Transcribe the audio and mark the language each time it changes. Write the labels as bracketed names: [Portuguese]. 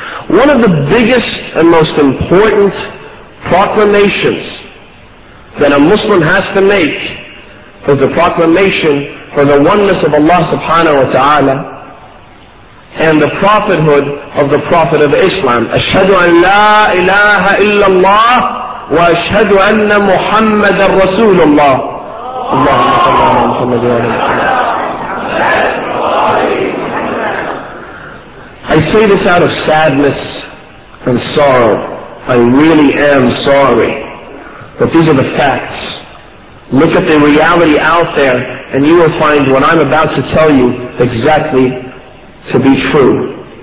[English] One of the biggest and most important proclamations that a Muslim has to make is the proclamation for the oneness of Allah subhanahu wa ta'ala and the prophethood of the Prophet of Islam. [Arabic] Ashhadu an la ilaha illallah. وأشهد أن محمد رسول الله اللهم صل على محمد وعلى آله. [English] I say this out of sadness and sorrow. I really am sorry, but these are the facts. Look at the reality out there, and you will find what I'm about to tell you exactly to be true.